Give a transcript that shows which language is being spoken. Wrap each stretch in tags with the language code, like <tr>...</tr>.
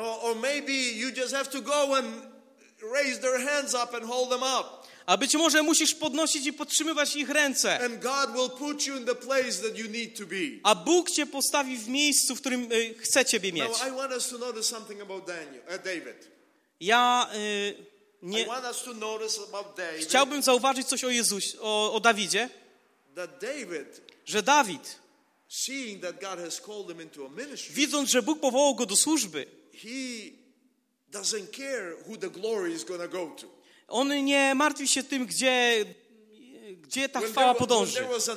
<en>Or maybe you just have to go and raise their hands up and hold them up.</en> <pl>A być może musisz podnosić i podtrzymywać ich ręce.</pl> <en>And God will put you in the place that you need to be.</en> <pl>A Bóg cię postawi w miejscu, w którym chce ciebie mieć.</pl> <en>Now, I want us to notice something about Daniel, David.</en> <pl>Ja nie</pl> <en>I want us to notice about David.</en> <pl>Chciałbym zauważyć coś o Jezusie, o Dawidzie.</pl> <en>That David,</en> <pl>że Dawid,</pl> <en>seeing that God has called him into a ministry,</en> <pl>widząc, że Bóg powołał go do służby,</pl> <en>he doesn't care who the glory is going to go to.</en> <pl>On nie martwi się tym, gdzie ta chwała podąży.</pl>